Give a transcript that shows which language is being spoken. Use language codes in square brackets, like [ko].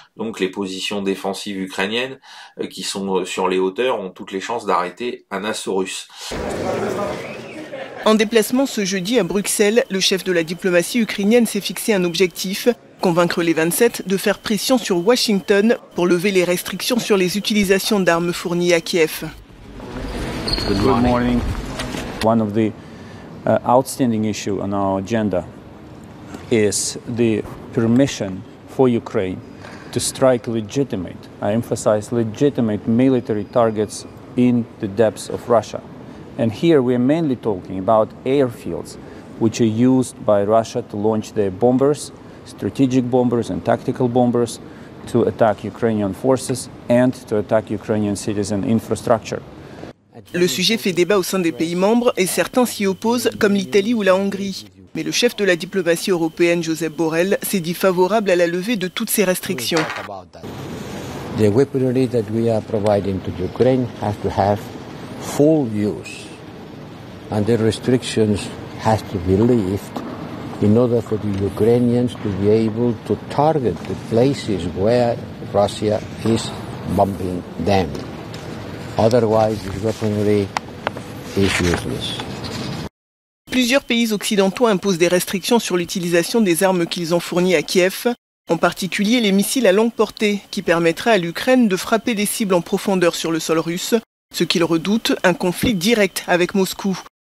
[fr] Donc, les positions défensives ukrainiennes qui sont sur les hauteurs ont toutes les chances d'arrêter un assaut russe. En déplacement ce jeudi à Bruxelles, le chef de la diplomatie ukrainienne s'est fixé un objectif. Convaincre les 27 de faire pression sur Washington pour lever les restrictions sur les utilisations d'armes fournies à Kiev. [en] Good morning. One of the outstanding issues on our agenda is the permission for Ukraine to strike legitimate, I emphasize legitimate military targets in the depths of Russia. And here we are mainly talking about airfields which are used by Russia to launch their bombers. Strategic bombers and tactical bombers to attack Ukrainian forces and to attack Ukrainian citizen infrastructure. [fr] Le sujet fait débat au sein des pays membres et certains s'y opposent, comme l'Italie ou la Hongrie. Mais le chef de la diplomatie européenne, Josep Borrell, s'est dit favorable à la levée de toutes ces restrictions. [en] The weaponry that we are providing to Ukraine has to have full use, and the restrictions have to be lifted. In order for the Ukrainians to be able to target the places where Russia is bombing them. Otherwise, the weaponry is useless. [fr] Plusieurs pays occidentaux imposent des restrictions sur l'utilisation des armes qu'ils ont fournies à Kiev, en particulier les missiles à longue portée, qui permettraient à l'Ukraine de frapper des cibles en profondeur sur le sol russe, ce qu'ils redoutent, un conflit direct avec Moscou.